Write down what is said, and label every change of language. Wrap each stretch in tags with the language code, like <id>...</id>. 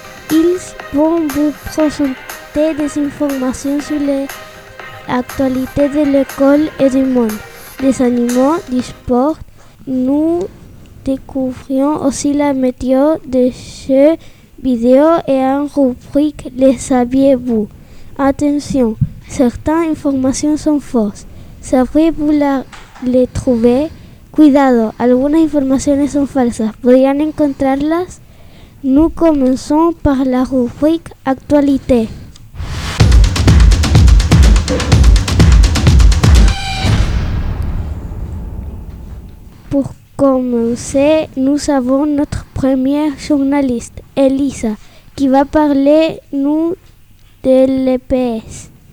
<fr>Ils vont vous présenter des informations sur les actualités de l'école et du monde, des animaux, du sport. Nous découvrions aussi la météo des jeux vidéo et en rubrique « Les saviez-vous ?». Attention, certaines informations sont fausses. Savez-vous les trouver?</fr> <es>Cuidado, algunas informaciones son falsas. ¿Podrían encontrarlas?</es> <fr>Nous commençons par la rubrique « Actualité ». Pour commencer, nous avons notre première journaliste, Elisa, qui va parler nous de l'EPS.</fr>